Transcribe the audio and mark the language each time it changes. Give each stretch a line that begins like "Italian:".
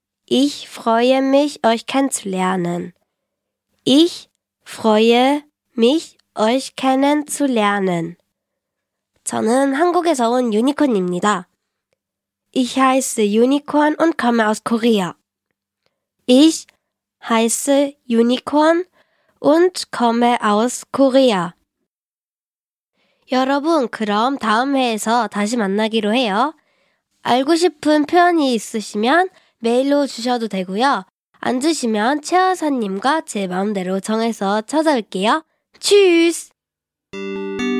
German: Ich freue mich, euch kennenzulernen. Ich freue mich, euch kennenzulernen.
Korean: 저는 한국에서 온 유니콘입니다.
German: Ich heiße Unicorn und komme aus Korea. Ich heiße Unicorn und komme aus Korea.
Korean: 여러분, 그럼 다음 회에서 다시 만나기로 해요. 알고 싶은 표현이 있으시면 메일로 주셔도 되고요. 안 주시면 최여사님과 제 마음대로 정해서 찾아올게요. 츄스!